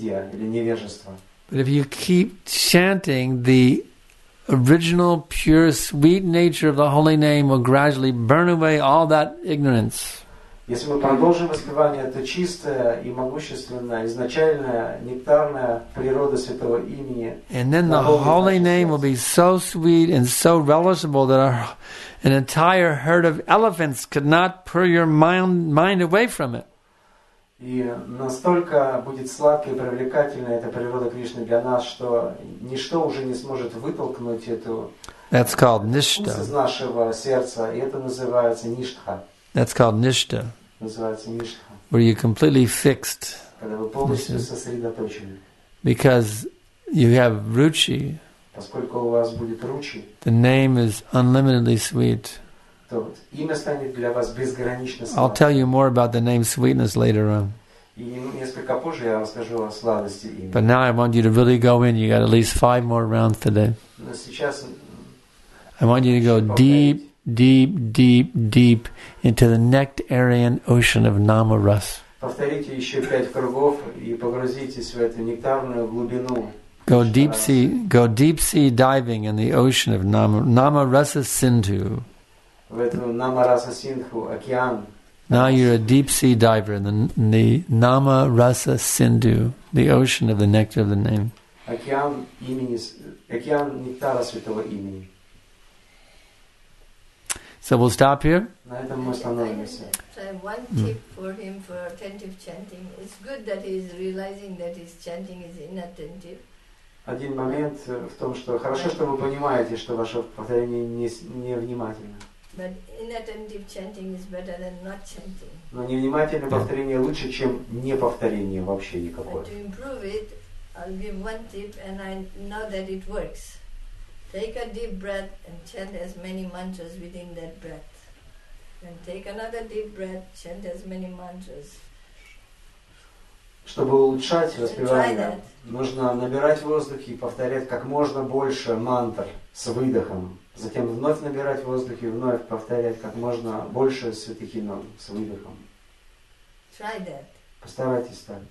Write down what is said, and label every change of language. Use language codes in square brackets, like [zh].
[en] But if you keep chanting, the original, pure, sweet nature of the holy name will gradually burn away all that ignorance. [ru] Если мы продолжим воспевание, то чистая и могущественная, изначальная, нектарная природа святого имени. [en] And then the holy name will be so sweet and so relishable that an entire herd of elephants could not pull your mind away from it. [ru] И настолько будет сладкой и привлекательной эта природа Кришны для нас, что ничто уже не сможет вытолкнуть эту [en] That's called ништа. [ru] Из нашего сердца, и это называется ништха. [en] That's called ништа. [ru] Называется ништха. [en] Where you're completely fixed. [ru] Когда вы полностью сосредоточены. [en] Because you have ручи. [ru] Поскольку у вас будет ручи, [en] the name is unlimitedly sweet. [ru] То вот, имя станет для вас безгранично сладким. [en] I'll tell you more about the name sweetness later on. [ru] И несколько позже я расскажу о сладости имени. [en] But now I want you to really go in. You got at least 5 more rounds today. [ru] Но сейчас [en] I want you to go deep, deep, deep, deep into the nectarian ocean of Namaras. [ru] Повторите еще 5 кругов и погрузитесь в эту нектарную глубину. [en] Go deep sea diving in the ocean of Namarasa Sindhu. [ru] В эту Namarasa Sindhu океан. [en] Now you're a deep sea diver in the Namarasa Sindhu, the ocean of the nectar of the name. [ru] Океан имени, океан нектара святого имени. [en] So we'll stop here. [ru] На этом мы остановимся. [en] One tip for him for attentive chanting. It's good that he is realizing that his chanting is inattentive. [ru] Один момент в том, что хорошо, что вы понимаете, что ваше повторение невнимательно. [en] But inattentive chanting is better than not chanting. [ru] Но невнимательное повторение лучше, чем неповторение вообще никакое. [en] But to improve it, I'll give one tip, and I know that it works. Take a deep breath and chant as many mantras within that breath. And take another deep breath, chant as many mantras. [ru] Чтобы улучшать воспевание, нужно набирать воздух и повторять как можно больше мантр с выдохом. Затем вновь набирать воздух и вновь повторять как можно больше святых имен с выдохом. [en] Try that. [ru] Постарайтесь так.